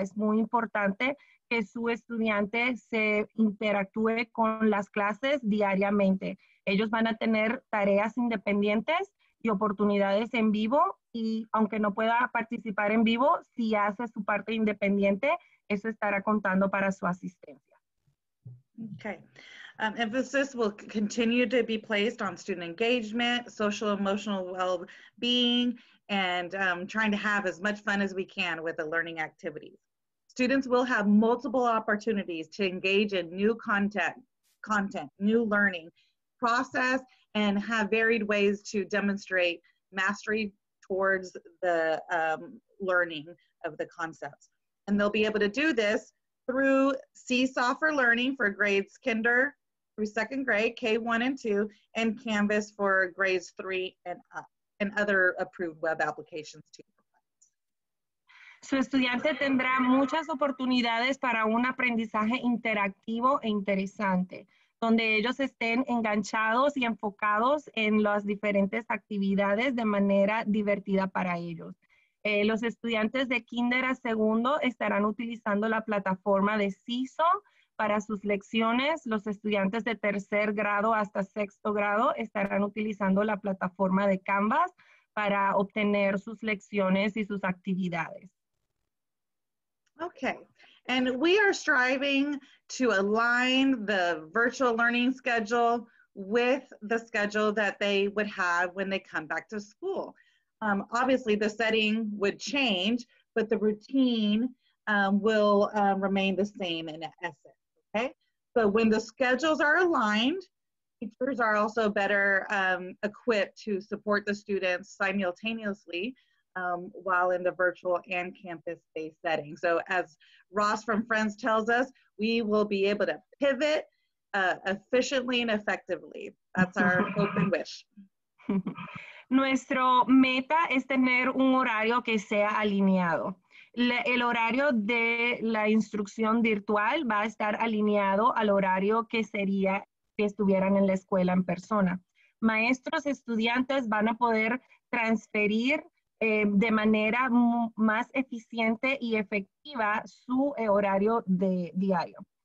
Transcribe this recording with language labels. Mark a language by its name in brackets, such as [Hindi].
[Spanish] Es muy importante que su estudiante se interactúe con las clases diariamente. Ellos van a tener tareas independientes y oportunidades en vivo, y aunque no pueda participar en vivo, si hace su parte independiente, eso estará contando para su asistencia. [English] Okay. Emphasis will continue to be placed on student engagement, social emotional well-being, and trying to have as much fun as we can with the learning activities. Students will have multiple opportunities to engage in new content, new learning process, and have varied ways to demonstrate mastery towards the learning of the concepts. And they'll be able to do this through Seesaw for Learning for grades kinder through second grade, K-1 and 2, and Canvas for grades 3 and up, and other approved web applications too. [Spanish] Su estudiante tendrá muchas oportunidades para un aprendizaje interactivo e interesante, donde ellos estén enganchados y enfocados en las diferentes actividades de manera divertida para ellos. Los estudiantes de kinder a segundo estarán utilizando la plataforma de CISO para sus lecciones. Los estudiantes de tercer grado hasta sexto grado estarán utilizando la plataforma de Canvas para obtener sus lecciones y sus actividades. [English] Okay, and we are striving to align the virtual learning schedule with the schedule that they would have when they come back to school. Obviously, the setting would change, but the routine will remain the same in essence, okay? So when the schedules are aligned, teachers are also better equipped to support the students simultaneously while in the virtual and campus-based setting. So as Ross from Friends tells us, we will be able to pivot efficiently and effectively. That's our hope and wish. [Spanish] Nuestro meta es tener un horario que sea alineado. El horario de la instrucción virtual va a estar alineado al horario que sería si estuvieran en la escuela en persona. Maestros, estudiantes van a poder transferir de manera más eficiente y efectiva su horario de diario.